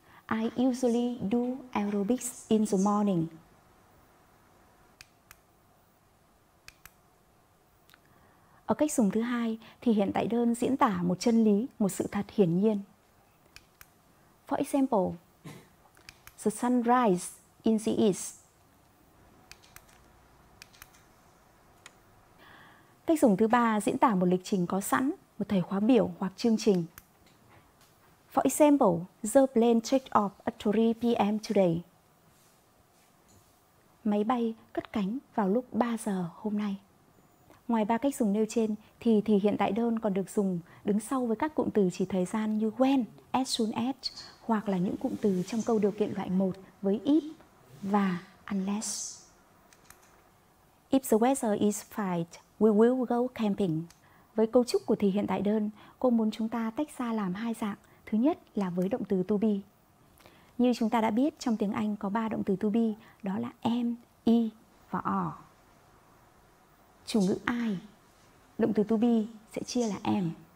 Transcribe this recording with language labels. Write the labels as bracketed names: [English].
[English] I usually do aerobics in the morning. [Vietnamese] Ở cách dùng thứ hai thì hiện tại đơn diễn tả một chân lý, một sự thật hiển nhiên. [English] For example, the sun rises in the east. [Vietnamese] Cách dùng thứ ba diễn tả một lịch trình có sẵn, một thời khóa biểu hoặc chương trình. [English] For example, the plane takes off at 3 p.m. today. [Vietnamese] Máy bay cất cánh vào lúc 3 giờ hôm nay. Ngoài ba cách dùng nêu trên, thì hiện tại đơn còn được dùng đứng sau với các cụm từ chỉ thời gian như when, as soon as, hoặc là những cụm từ trong câu điều kiện loại 1 với if và unless. [English] If the weather is fine, we will go camping. [Vietnamese] Với cấu trúc của thì hiện tại đơn, cô muốn chúng ta tách ra làm hai dạng. Thứ nhất là với động từ to be. Như chúng ta đã biết, trong tiếng Anh có ba động từ to be, đó là am, e và are. Chủ ngữ I, động từ to be sẽ chia là am.